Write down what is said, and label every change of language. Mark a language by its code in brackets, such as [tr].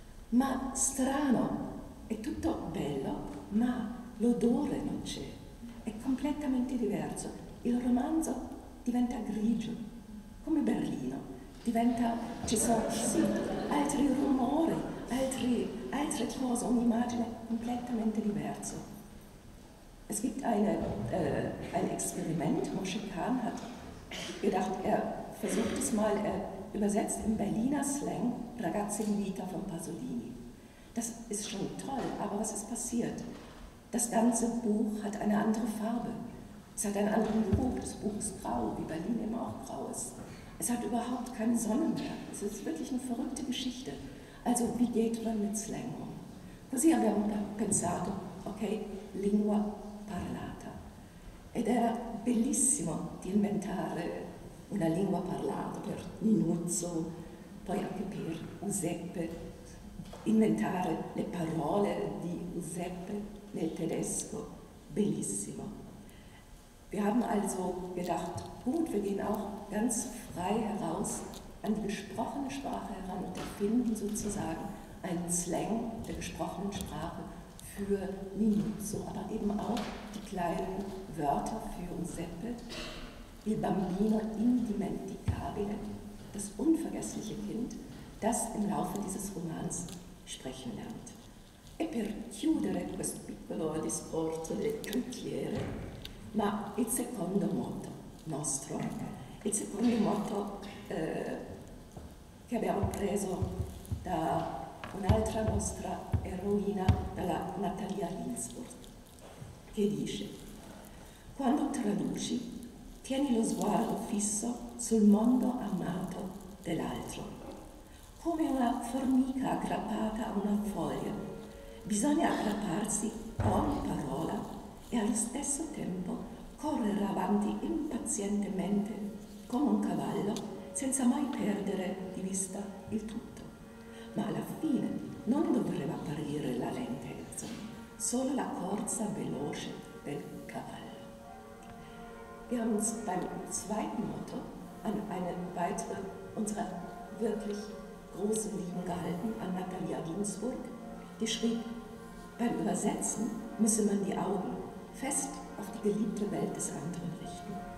[it] Ma strano, è tutto bello, ma l'odore non c'è. È completamente diverso. Il romanzo diventa grigio, come Berlino. Diventa, ci sono sì, altri rumori, altre cose, un'immagine completamente diversa. [de] Es gibt ein Experiment, Moshe Khan hat gedacht, er versucht es mal, er übersetzt im Berliner Slang Ragazze in Vita von Pasolini. Das ist schon toll, aber was ist passiert? Das ganze Buch hat eine andere Farbe. Es hat einen anderen Geruch, das Buch ist grau, wie Berlin immer auch grau ist. Es hat überhaupt keine Sonne mehr. Es ist wirklich eine verrückte Geschichte. Also wie geht man mit Slang um? [it] Così abbiamo pensato, okay, lingua parlata. Ed era bellissimo di inventare una lingua parlata per Nuzzo, poi anche per Giuseppe, inventare le parole di Giuseppe nel tedesco, bellissimo. [de] Wir haben also gedacht, gut, wir gehen auch ganz frei heraus an die gesprochene Sprache heran und erfinden sozusagen einen Slang der gesprochenen Sprache für Nuzzo, aber eben auch die kleinen Wörter für Giuseppe, [it] il bambino indimenticabile, [de] das unvergessliche Kind, das im Laufe dieses Romans sprechen lernt. [it] E per chiudere questo piccolo discorso delle cantiere, ma il secondo motto nostro, il secondo motto che abbiamo preso da un'altra nostra eroina, dalla Natalia Ginzburg, che dice: quando traduci, tieni lo sguardo fisso sul mondo amato dell'altro. Come una formica aggrappata a una foglia, bisogna aggrapparsi a ogni parola e allo stesso tempo correre avanti impazientemente come un cavallo senza mai perdere di vista il tutto. Ma alla fine non dovrebbe apparire la lentezza, solo la corsa veloce del cavallo. [de] Wir haben uns beim zweiten Motto an eine weitere unserer wirklich großen Lieben gehalten, an Natalia Ginzburg, die schrieb, beim Übersetzen müsse man die Augen fest auf die geliebte Welt des anderen richten.